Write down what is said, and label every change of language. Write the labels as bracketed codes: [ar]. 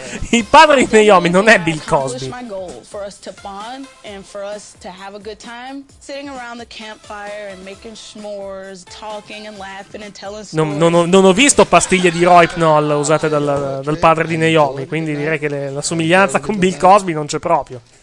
[it] Il padre di Naomi non è Bill Cosby. [en] My goal for us to bond and for us to have a good time sitting around the campfire and making s'mores, talking and laughing and telling stories. [it] Non ho visto pastiglie di Rohypnol usate dal padre di Naomi, quindi direi che la somiglianza con Bill Cosby non c'è proprio.